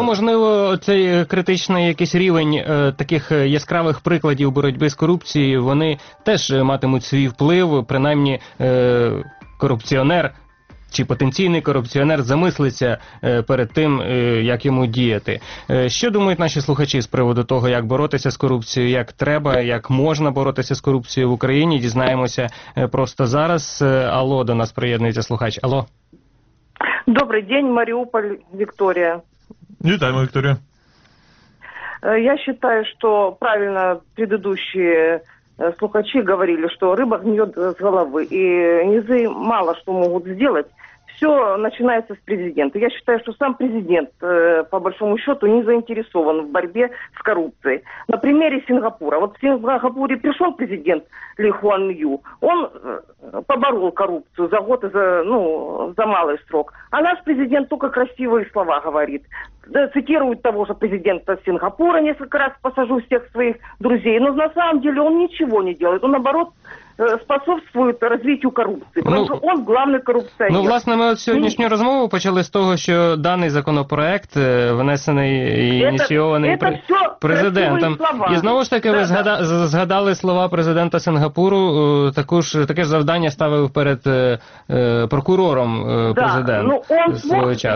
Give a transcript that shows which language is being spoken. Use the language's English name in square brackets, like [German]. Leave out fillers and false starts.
[Ukrainian] Ну, можливо, цей критичний якийсь рівень таких яскравих прикладів боротьби з корупцією, вони теж матимуть свій вплив, принаймні корупціонер чи потенційний корупціонер замислиться перед тим, як йому діяти. Що думають наші слухачі з приводу того, як боротися з корупцією, як треба, як можна боротися з корупцією в Україні, дізнаємося просто зараз. Алло, до нас приєднується слухач. Алло. Добрий день, Маріуполь, Вікторія. Вітаємо, Вікторія. [Russian] Я считаю, что правильно предыдущие слухачи говорили, что рыба гниет с головы, и низы мало что могут сделать. все начинается с президента. Я считаю, что сам президент, по большому счету, не заинтересован в борьбе с коррупцией. На примере Сингапура. Вот в Сингапуре пришел президент Ли Хуан Ю. Он поборол коррупцию за год, за малый срок. А наш президент только красивые слова говорит. Цитирует того же президента Сингапура несколько раз, посажу всех своих друзей. Но на самом деле он ничего не делает. Он, наоборот, способствует развитию [Ukrainian] коррупції, тому що він головний корупціонер. Ну, власне, ми от сьогоднішню розмову почали з того, що даний законопроект внесений і ініційований президентом. І знову ж таки, ви згадали слова президента Сингапуру, таке ж завдання ставив перед прокурором президент свого часу.